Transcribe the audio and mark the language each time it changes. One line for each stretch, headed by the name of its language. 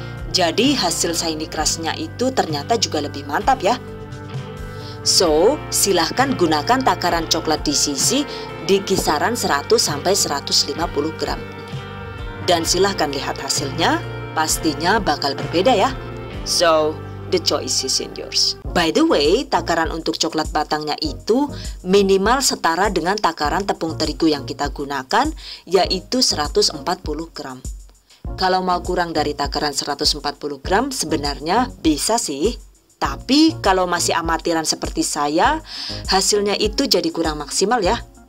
Indonesian: Jadi hasil shiny crustnya itu ternyata juga lebih mantap ya. So, silahkan gunakan takaran coklat di sisi di kisaran 100 sampai 150 gram. Dan silahkan lihat hasilnya, pastinya bakal berbeda ya.
English: So, the choice is in yours.
Indonesian: By the way, takaran untuk coklat batangnya itu minimal setara dengan takaran tepung terigu yang kita gunakan, yaitu 140 gram. Kalau mau kurang dari takaran 140 gram, sebenarnya bisa sih. Tapi kalau masih amatiran seperti saya, hasilnya itu jadi kurang maksimal ya.